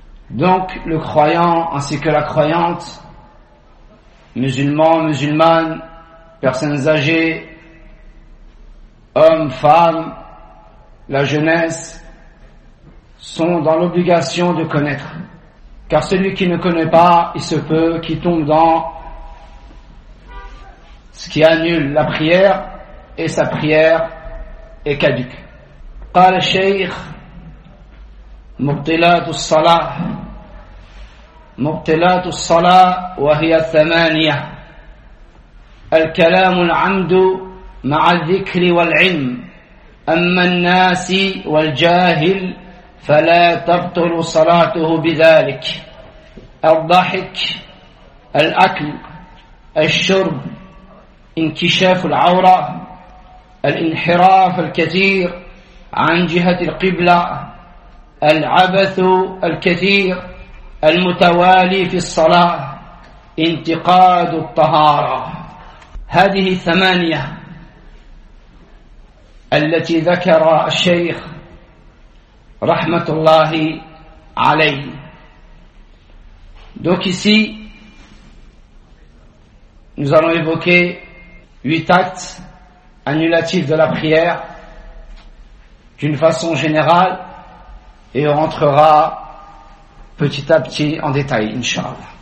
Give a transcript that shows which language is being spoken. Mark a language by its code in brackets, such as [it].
[fr] Donc le croyant ainsi que la croyante, musulmans, musulmanes, personnes âgées, hommes, femmes, la jeunesse, sont dans l'obligation de connaître. Car celui qui ne connaît pas, il se peut qu'il tombe dans ce qui annule la prière, et sa prière est caduque. [ar] قال الشيخ مبطلات الصلاة. مبطلات الصلاة وهي الثمانية: الكلام العمد مع الذكر والعلم، أما الناس والجاهل فلا تبطل صلاته بذلك: الضحك، الأكل، الشرب، انكشاف العورة، الانحراف الكثير عن جهة القبلة، العبث الكثير المتوالي في الصلاة، انتقاد الطهارة. هذه الثمانية التي ذكر الشيخ رحمة الله عليه. [fr] Donc ici, nous allons évoquer 8 actes annulatifs de la prière d'une façon générale, et on rentrera petit à petit en détail, Inch'Allah.